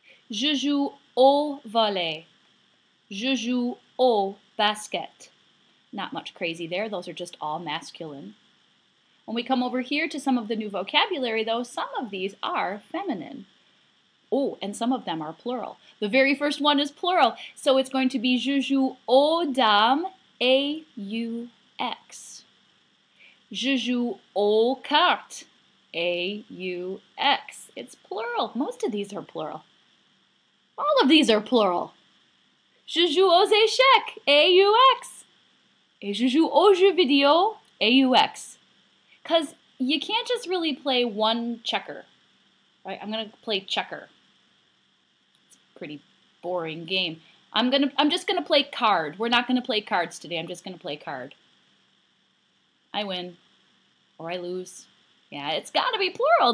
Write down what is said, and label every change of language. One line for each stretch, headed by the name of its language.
French: Je joue au volley, je joue au basket.
English: Not much crazy there, those are just all masculine. When we come over here to some of the new vocabulary though, some of these are feminine. Oh, and some of them are plural. The very first one is plural, so it's going to be
French: je joue aux dames,
English: A-U-X.
French: Je joue aux cartes, A-U-X.
English: It's plural, most of these are plural. All of these are plural.
French: Je joue aux échecs, A-U-X. Et je joue aux jeux vidéo, A-U-X.
English: Because you can't just really play one checker, right? I'm going to play checker. It's a pretty boring game. I'm just going to play card. We're not going to play cards today. I'm just going to play card. I win or I lose. Yeah, it's got to be plural.